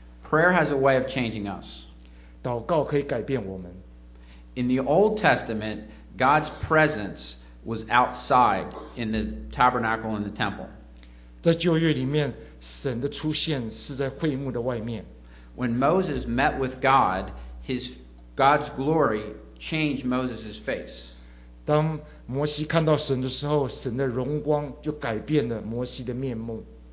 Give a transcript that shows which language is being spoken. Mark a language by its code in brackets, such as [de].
[en] Prayer has a way of changing us. [zh] 祷告可以改变我们。 [en] In the Old Testament, God's presence was outside in the tabernacle in the temple. [zh] 在旧约里面，神的出现是在会幕的外面。 [en] When Moses met with God, God's glory changed Moses' face. [zh] 当摩西看到神的时候，神的荣光就改变了摩西的面目。